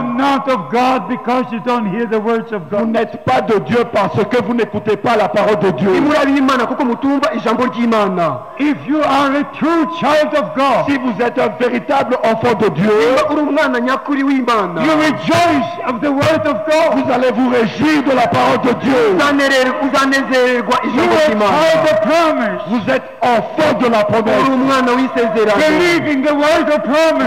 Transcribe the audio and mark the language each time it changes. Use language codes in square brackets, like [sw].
[en] not of God because you don't hear the words of God. [fr] Vous n'êtes pas de Dieu parce que vous n'écoutez pas la parole de Dieu. [en] If you are a true child of God, [fr] si vous êtes un véritable enfant de Dieu, [en] you rejoice of the word of God. [fr] Vous allez vous réjouir de la parole de Dieu. Vous êtes enfant de la promesse. [en] Believing the word of promise.